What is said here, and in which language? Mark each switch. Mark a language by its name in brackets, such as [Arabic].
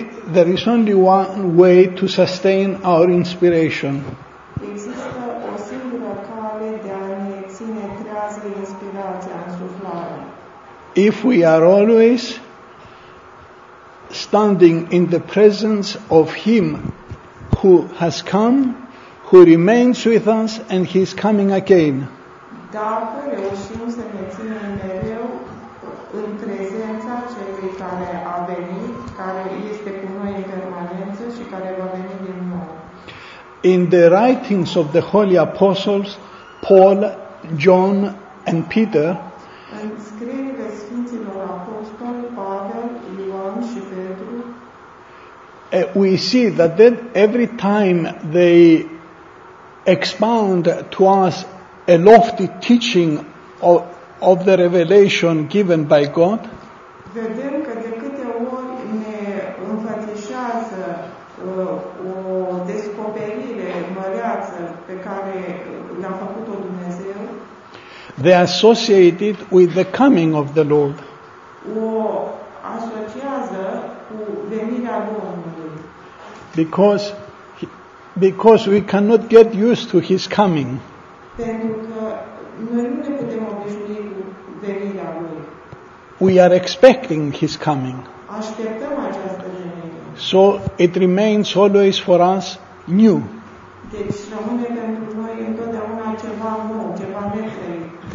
[English] There is only one way to sustain our inspiration. [Romanian] Există o singură cale de a ne ține trează inspirația în suflare. [English] If we are always standing in the presence of Him who has come, who remains with us, and He is coming again. [Romanian] Dacă reușim să ne ținem mereu în prezența celui care a venit, care este cu noi în permanență și care va veni din nou. [English] In the writings of the holy apostles, Paul, John, and Peter, [Romanian] în scrierile Sfinților Apostoli, Pavel, Ioan și Petru, [English] we see that then every time they expound to us a lofty teaching of the revelation given by God, [Romanian] vedem că de câte ori ne înfățișează o descoperire măreață pe care l-a făcut-o Dumnezeu, [English] they associate it with the coming of the Lord. [Romanian] O asociază cu venirea Domnului. [English] Because we cannot get used to his coming. [Romanian] Pentru că noi nu ne putem obișnui cu venirea Lui. [English] We are expecting his coming. [Romanian] Așteptăm această venire. [English] So it remains always for us new. [Romanian] Deci rămâne pentru noi întotdeauna ceva nou, ceva neferit.